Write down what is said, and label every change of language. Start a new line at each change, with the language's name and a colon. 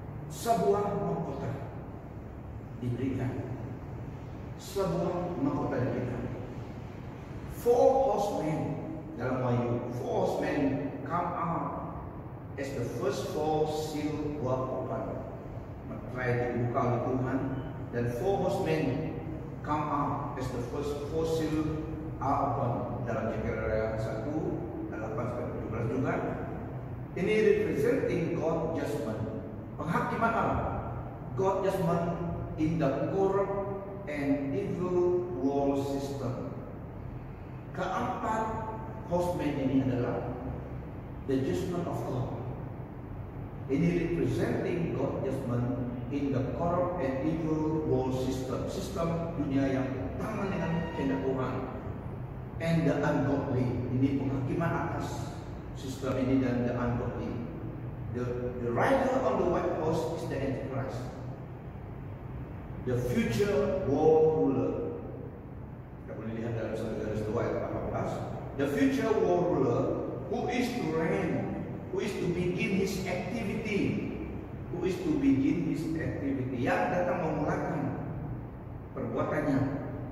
Malay: Sebuah mahkota diberikan. Sebuah mahkota diberikan.
English: Four horsemen
Malay: dalam Wahyu.
English: Four horsemen come out as the first four seal buah kopan.
Malay: Metrai dibuka oleh Tuhan.
English: Then four horsemen come out as the first four seal buah kopan.
Malay: Dalam Zechariah 1, 8 sampai 17 juga. Ini
English: representing God judgment.
Malay: Penghakiman Allah,
English: God judgment in the corrupt and evil world system.
Malay: Keempat horsemen ini adalah
English: the judgment of God.
Malay: Ini
English: representing God judgment in the corrupt and evil world system.
Malay: Sistem dunia yang bertentangan dengan kehendak Tuhan.
English: And the ungodly,
Malay: ini penghakiman atas sistem ini dan
English: the ungodly. The rider on the white horse is the Antichrist, the future world ruler.
Malay: Kita boleh lihat dalam 1 Yohanes 2 ayat 18.
English: The future world ruler who is to reign, who is to begin his activity, who is to begin his activity,
Malay: yang datang memulakan perbuatannya.